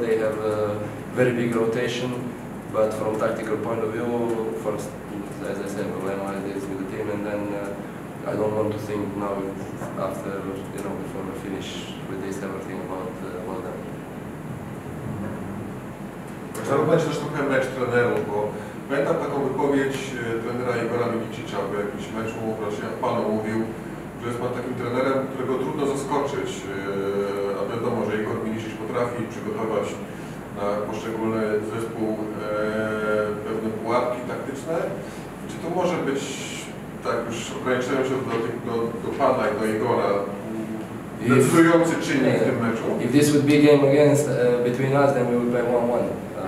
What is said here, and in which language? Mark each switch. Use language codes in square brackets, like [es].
[en] They have a very big rotation, but from tactical point of view, first, as I said, we'll analyze this with the team, and then I don't want to think now after, you know, before we finish with this, everything about them. [pl] Zarobić też trochę mecz trenerów, bo pamiętam taką wypowiedź trenera Igora Mikicicza, w jakimś meczu, właśnie jak panu mówił, że jest pan takim trenerem, którego trudno zaskoczyć. A wiadomo, że Igor Mikicic potrafi przygotować na poszczególny zespół pewne pułapki taktyczne. Czy to może być, tak już ograniczając się do pana i do Igora, decydujący czynnik w tym meczu? [en] If this would be game against between us, then we would play 1-1.